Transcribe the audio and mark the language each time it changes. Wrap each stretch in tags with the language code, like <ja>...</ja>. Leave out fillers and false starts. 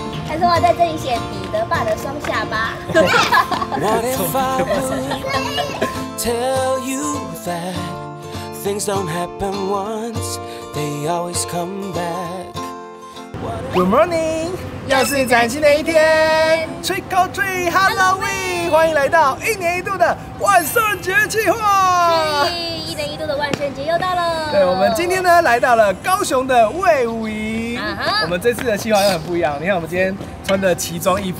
<zh>还是我在这里写彼得爸的双下巴。</zh> <en>What if I tell you that things don't happen once, they always come back. Good morning,</en> <zh>又是崭新的一天。</zh> <en>Trick or treat, Halloween，</en> <zh>欢迎来到一年一度的万圣节计划。一年一度的万圣节又到了。对，我们今天呢来到了高雄的卫武营。我们这次的计划又很不一样。你看，我们今天穿的奇装异服，</zh>